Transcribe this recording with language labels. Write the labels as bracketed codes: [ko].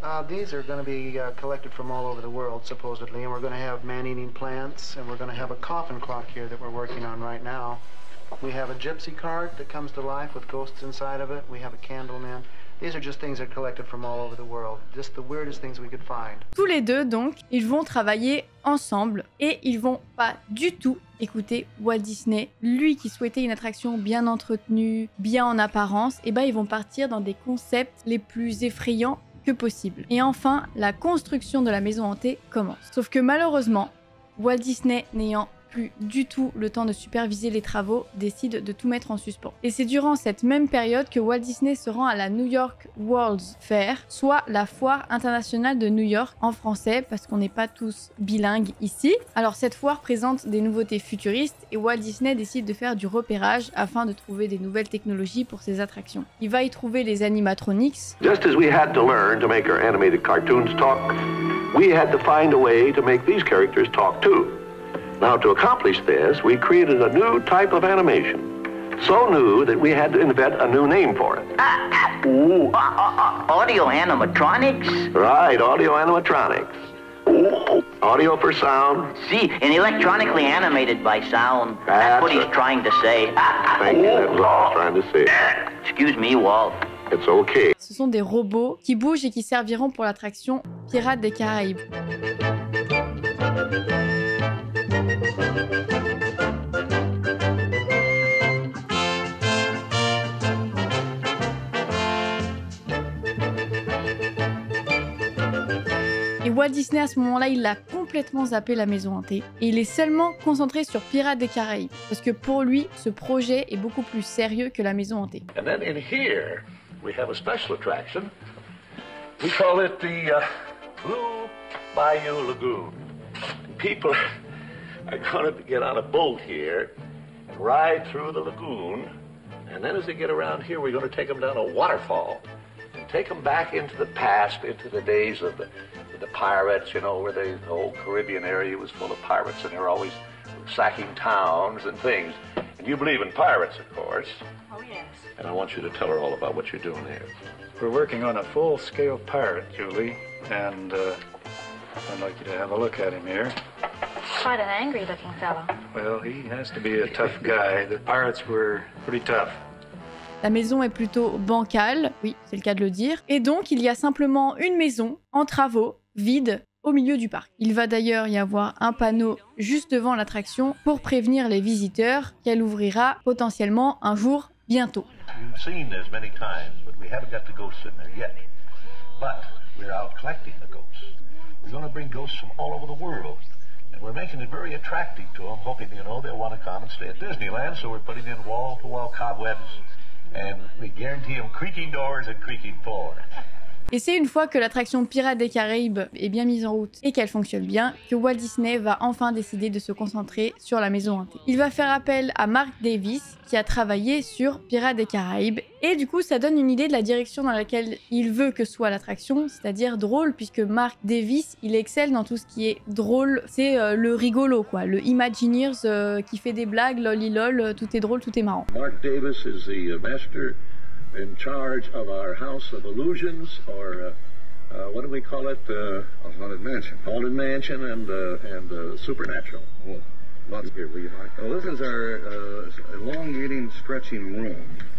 [en] These are going to be collected from all over the world, supposedly, and we're going to have man-eating plants, and we're going to have a coffin clock here that we're working on right now. We have a gypsy cart that comes to life with ghosts inside of it. We have a candleman. These are just things that are collected from all over the world. Just the weirdest things we could find. [fr] Tous les deux, donc, ils vont travailler ensemble et ils vont pas du tout écouter Walt Disney. Lui qui souhaitait une attraction bien entretenue, bien en apparence, et ils vont partir dans des concepts les plus effrayants que possible. Et enfin, la construction de la maison hantée commence. Sauf que malheureusement, Walt Disney n'ayant plus du tout le temps de superviser les travaux, décide de tout mettre en suspens. Et c'est durant cette même période que Walt Disney se rend à la New York World's Fair, soit la foire internationale de New York en français, parce qu'on n'est pas tous bilingues ici. Alors cette foire présente des nouveautés futuristes et Walt Disney décide de faire du repérage afin de trouver des nouvelles technologies pour ses attractions. Il va y trouver les animatronics. [en] Just as we had to learn to make our animated cartoons talk, we had to find a way to make these characters talk too. Now, to accomplish this, we created a new type of animation. So new that we had to invent a new name for it. Audio animatronics? Right, audio animatronics. Audio for sound. See, and electronically animated by sound. That's what he's trying to say. Thank you, that's what I was trying to say. Excuse me, Walt. It's okay. [fr] Ce sont des robots qui bougent et qui serviront pour l'attraction Pirates des Caraïbes. Et Walt Disney, à ce moment-là, il a complètement zappé la maison hantée. Et il est seulement concentré sur Pirates des Caraïbes. Parce que pour lui, ce projet est beaucoup plus sérieux que la maison hantée. [en] And then in here, we have a special attraction. We call it the Blue Bayou Lagoon. People are going to get on a boat here and ride through the lagoon. And then as they get around here, we're going to take them down a waterfall. And take them back into the past, into the days of the... the pirates, you know, where the old Caribbean area was full of pirates and they were always sacking towns and things. And you believe in pirates, of course. Oh, yes. And I want you to tell her all about what you're doing here. We're working on a full-scale pirate, Julie, and I'd like you to have a look at him here. Quite an angry-looking fellow. Well, he has to be a tough guy. The pirates were pretty tough. [fr] La maison est plutôt bancale, oui, c'est le cas de le dire. Et donc, il y a simplement une maison, en travaux, vide, au milieu du parc. Il va d'ailleurs y avoir un panneau juste devant l'attraction pour prévenir les visiteurs qu'elle ouvrira potentiellement un jour bientôt. [en] You've seen this many times, but we haven't got the ghosts in there yet. But we're out collecting the ghosts. We're going to bring ghosts from all over the world. And we're making it very attractive to them, hoping, you know, they'll want to come and stay at Disneyland. So we're putting in wall-to-wall cobwebs. And we guarantee them creaking doors and creaking floors. [fr] Et c'est une fois que l'attraction Pirates des Caraïbes est bien mise en route et qu'elle fonctionne bien, que Walt Disney va enfin décider de se concentrer sur la maison hantée. Il va faire appel à Mark Davis, qui a travaillé sur Pirates des Caraïbes, et du coup ça donne une idée de la direction dans laquelle il veut que soit l'attraction, c'est-à-dire drôle, puisque Mark Davis, il excelle dans tout ce qui est drôle, c'est le rigolo quoi, le Imagineers qui fait des blagues, lolilol, tout est drôle, tout est marrant. [en] Mark Davis is the master. In charge of our House of Illusions, or what do we call it? Haunted Mansion. Haunted Mansion and Supernatural. Oh, lots here, will you mind? Well, this is our elongating stretching room.